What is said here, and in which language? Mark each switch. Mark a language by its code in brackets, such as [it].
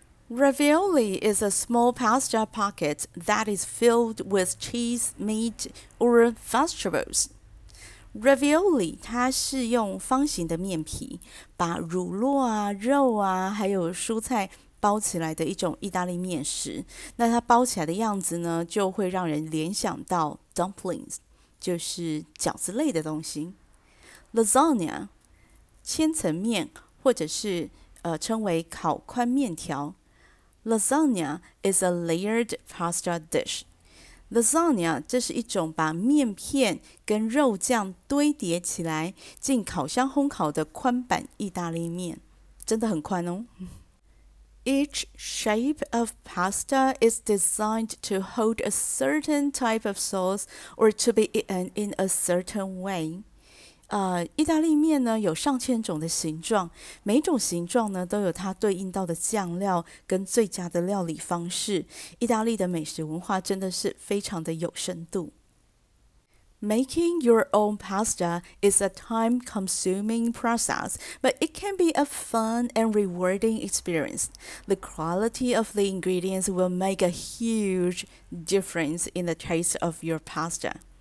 [en] Ravioli is a small pasta pocket that is filled with cheese, meat, or vegetables. [zh] Ravioli 它是用方形的面皮，把乳酪啊、肉啊，还有蔬菜包起来的一种意大利面食。那它包起来的样子呢，就会让人联想到 dumplings，就是饺子类的东西。 Lasagna，千层面，或者是称为烤宽面条。 [en] Lasagna is a layered pasta dish. [zh] Lasagna 这是一种把面片跟肉酱堆叠起来进烤箱烘烤的宽板意大利面，真的很宽哦。 [en] Each shape of pasta is designed to hold a certain type of sauce or to be eaten in a certain way. [zh] 意大利面呢有上千种的形状，每种形状呢都有它对应到的酱料跟最佳的料理方式。意大利的美食文化真的是非常的有深度。 [en] Making your own pasta is a time-consuming process, but it can be a fun and rewarding experience. The quality of the ingredients will make a huge difference in the taste of your pasta.